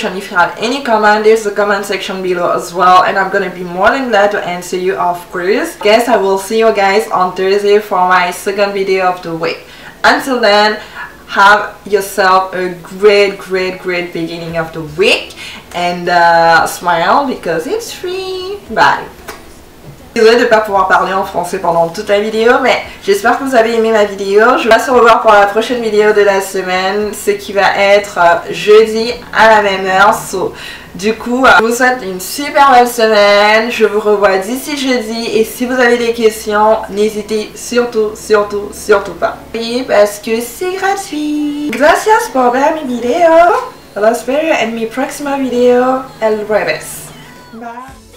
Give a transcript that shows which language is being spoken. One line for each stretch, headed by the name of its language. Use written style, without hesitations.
English: And if you have any comment, there's a comment section below as well, and I'm gonna be more than glad to answer you, of course. Guess I will see you guys on Thursday for my second video of the week. Until then, have yourself a great, great, great beginning of the week, and smile because it's free. Bye.
French: Désolée de ne pas pouvoir parler en français pendant toute la vidéo, mais j'espère que vous avez aimé ma vidéo. Je vous laisse revoir pour la prochaine vidéo de la semaine, ce qui va être jeudi à la même heure. So, du coup, je vous souhaite une super belle semaine. Je vous revois d'ici jeudi. Et si vous avez des questions, n'hésitez surtout, surtout, surtout pas. Oui, parce que c'est gratuit.
Spanish: Gracias por ver mi video. Los veo en mi próxima video. El jueves. Bye.